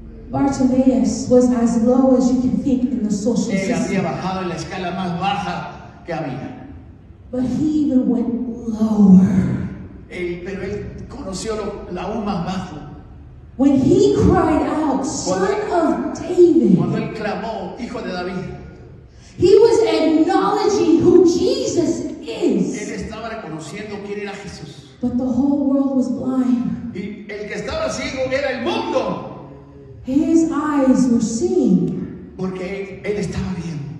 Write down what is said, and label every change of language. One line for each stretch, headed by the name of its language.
English: Bartimaeus was as low as you can think in the social system.
Spanish: Él había bajado en la escala más baja que había.
English: But he even went lower.
Spanish: Pero él conoció lo aún más bajo.
English: When he cried out, Son of David.
Spanish: Cuando él clamó, Hijo de David.
English: He was acknowledging who Jesus is.
Spanish: Él estaba reconociendo quién era Jesús.
English: But the whole world was blind.
Spanish: Y el que estaba ciego era el mundo.
English: His eyes were seeing.
Spanish: Porque él estaba viendo.